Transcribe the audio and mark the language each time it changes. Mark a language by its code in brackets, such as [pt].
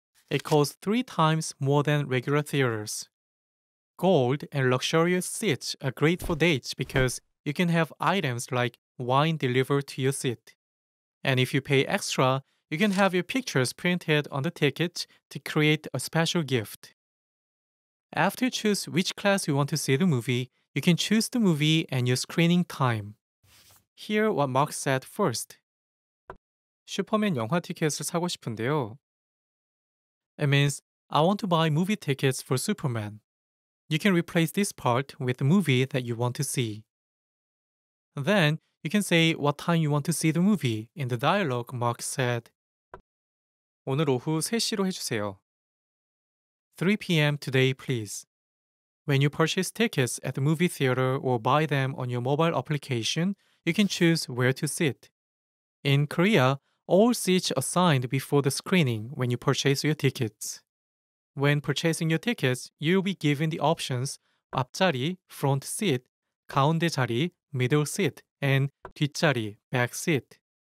[en] It costs 3 times more than regular theaters. Gold and luxurious seats are great for dates because you can have items like wine delivered to your seat. And if you pay extra, you can have your pictures printed on the ticket to create a special gift. After you choose which class you want to see the movie, you can choose the movie and your screening time. Hear what Mark said first. [ko] 슈퍼맨 영화 티켓을 사고 싶은데요. [en] It means, I want to buy movie tickets for Superman. You can replace this part with the movie that you want to see. Then, you can say what time you want to see the movie in the dialogue Mark said. [ko] 오늘 오후 3시로 해주세요. [en] 3 p.m. today, please. When you purchase tickets at the movie theater or buy them on your mobile application, you can choose where to sit. In Korea, all seats are assigned before the screening when you purchase your tickets. When purchasing your tickets, you'll be given the options 앞자리, front seat, 가운데 자리, middle seat, and 뒷자리, back seat.